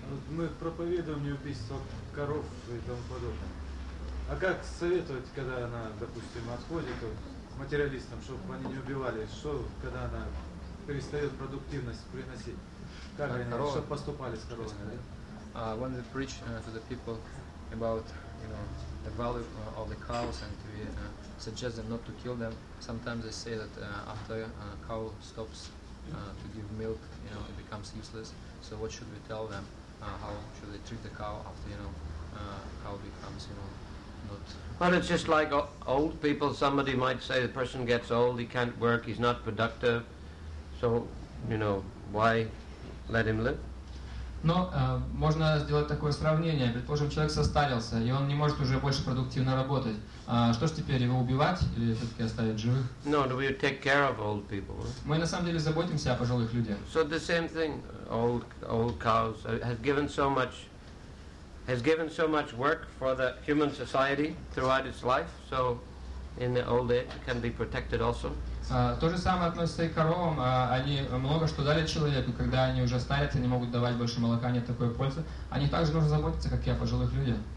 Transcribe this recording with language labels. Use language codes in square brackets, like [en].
[ru] Мы проповедуем не убийство коров и тому подобное. А как советовать, когда она, допустим, отходит материалистам, чтобы они не убивали? Что, когда она перестает продуктивность приносить. Как они, чтобы поступали с коровами? Да? [en] When they preach to the people about, you know, the value of the cows, and we suggest them not to kill them, sometimes they say that after a cow stops to give milk, you know, it becomes useless. So what should we tell them? How should they treat the cow after, you know, cow becomes, you know, not... Well, it's just like old people. Somebody might say the person gets old, he can't work, he's not productive. So, you know, why let him live? [ru] Но можно сделать такое сравнение. Предположим, человек состарился, и он не может уже больше продуктивно работать. Что ж теперь, его убивать или все-таки оставить живых? [en] No, we take care of old people. [ru] Мы на самом деле заботимся о пожилых людях. [en] So the same thing, old cows has given so much work for the human society throughout its life. So in the old age, can be protected also. [ru] То же самое относится и к коровам. Они много что дали человеку, когда они уже старятся, не могут давать больше молока, нет такой пользы. О них также нужно заботиться, как и о пожилых людях.